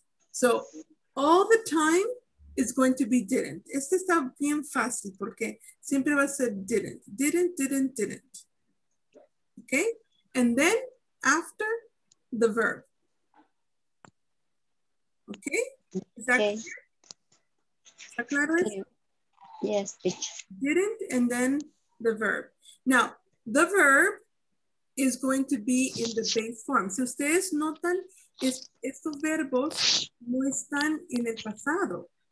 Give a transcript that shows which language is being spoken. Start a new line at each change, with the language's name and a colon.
English: So all the time is going to be didn't.
Spanish: Este está bien fácil porque siempre va a ser didn't.
English: Didn't, didn't, didn't. Okay? And then after the verb. Okay? Is that okay. Clear? Is that clear? Yes. Didn't and then the verb. Now, the verb is going to be in the base form.
Spanish: Si ustedes notan, estos verbos no están en el pasado.